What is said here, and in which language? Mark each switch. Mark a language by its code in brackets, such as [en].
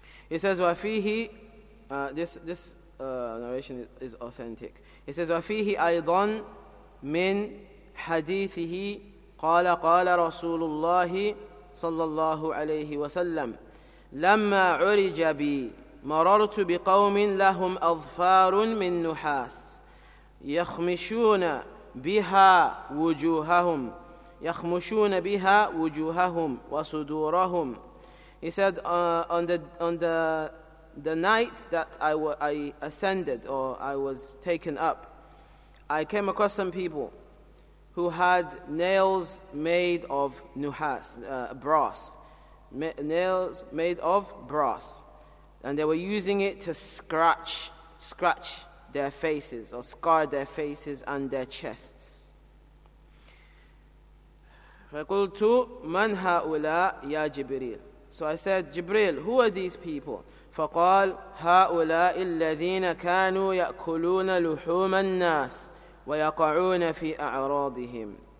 [en] It says, وَفِيهِ this narration is authentic. It says, [ar] وَفِيهِ أَيْضًا مِنْ حَدِيثِهِ قَالَ قَالَ رَسُولُ اللَّهِ صَلَّى اللَّهُ عَلَيْهِ وَسَلَّمْ. لما عرج بي مررت بقوم لهم أظفار من نحاس يخمشون بها وجوههم يخمشون بها وجوههم وصدورهم. [en] He said, on the night that I ascended or I was taken up, I came across some people who had nails made of nuhas, brass. Nails made of brass. And they were using it to scratch their faces or scar their faces and their chests. [ar] فَقُلْتُ مَنْ هَؤُلَاء يَا جِبْرِيلُ. [en] So I said, Jibril, who are these people? [ar] فقال هؤلاء الذين كانوا يأكلون لحوم الناس ويقعون في أعراضهم.